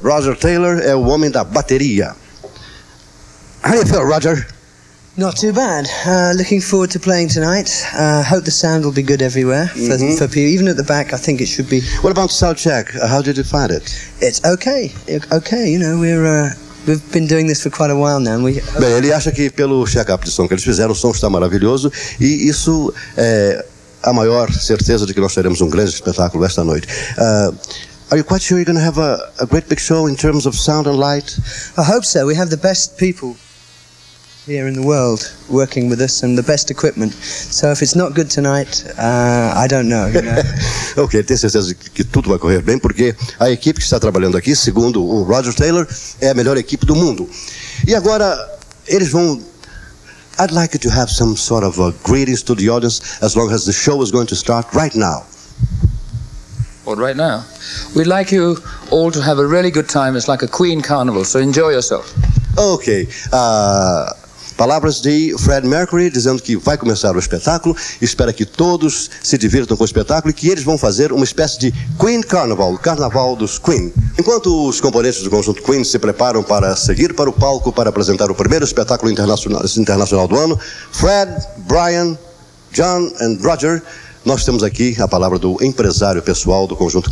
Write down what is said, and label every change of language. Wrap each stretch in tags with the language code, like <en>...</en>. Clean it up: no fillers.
<pt>Roger Taylor é o homem da bateria.</pt> <en>How do you feel, Roger? Not too bad. Looking forward to playing tonight. Hope the sound will be good everywhere for people. Even at the back, I think it should be. What about sound check? How did you find it? It's okay. Okay, you know, we've been doing this for quite a while now.</en> <pt>Bem, ele acha que pelo check-up de som que eles fizeram, o som está maravilhoso e isso é a maior certeza de que nós teremos um grande espetáculo esta noite.</pt> <en>Are you quite sure you're going to have a great big show in terms of sound and light? I hope so. We have the best people here in the world working with us and the best equipment. So if it's not good tonight, I don't know. You know?</en> <pt>Ok, tenho certeza que tudo vai correr bem, porque a equipe que está trabalhando aqui, segundo o Roger Taylor, é a melhor equipe do mundo. E agora, eles vão...</pt> <en>I'd like to have some sort of a greetings to the audience as long as the show is going to start right now. Well, right now, we'd like you all to have a really good time. It's like a Queen Carnival, so enjoy yourself. Ok.</en> <pt>Palavras de Fred Mercury dizendo que vai começar o espetáculo. Espera que todos se divirtam com o espetáculo e que eles vão fazer uma espécie de Queen Carnival, Carnaval dos Queen. Enquanto os componentes do conjunto Queen se preparam para seguir para o palco para apresentar o primeiro espetáculo internacional do ano, Fred, Brian, John e Roger... Nós temos aqui a palavra do empresário pessoal do Conjunto Queen.</pt>